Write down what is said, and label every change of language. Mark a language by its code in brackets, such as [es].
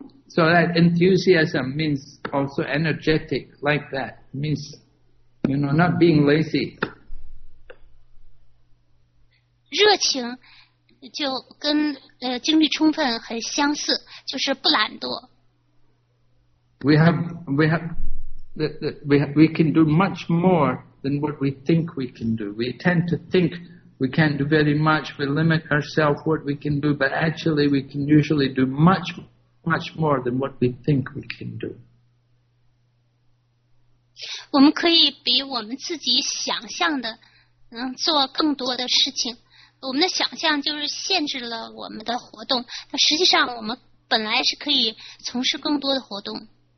[en] So that enthusiasm means also energetic like that means, you know, not being lazy. [zh] 热情。就跟精力充分很相似，就是不懒惰。 [en] We can do much more than what we think we can do. We tend to think we can't do very much. We limit ourselves what we can do, but actually we can usually do much, much more than what we think we can do. [zh] 我们可以比我们自己想象的，做更多的事情。我们的想象就是限制了我们的活动，但实际上我们本来是可以从事更多的活动。